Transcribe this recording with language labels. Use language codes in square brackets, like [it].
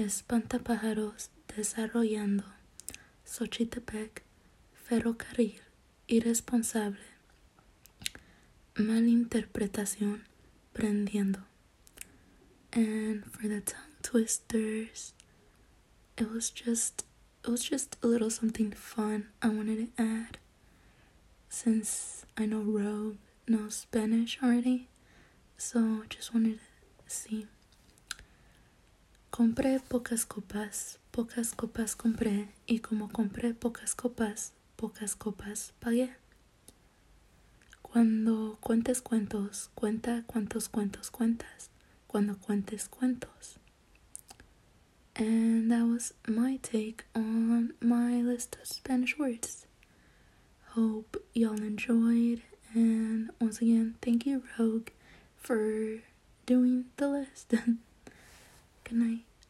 [es] Espantapájaros, desarrollando. Xochitepec, ferrocarril, irresponsable. Malinterpretación, prendiendo. [en] And for the tongue twisters, It was just a little something fun I wanted to add, since I know Rogue knows Spanish already, so I just wanted to see. [es] Compré pocas copas compré, y como compré pocas copas pagué. Cuando cuentes cuentos, cuenta cuántos cuentos cuentas, cuando cuentes cuentos. [en] And that was my take on my list of Spanish words. Hope y'all enjoyed. And once again, thank you, Rogue, for doing the list. Good night.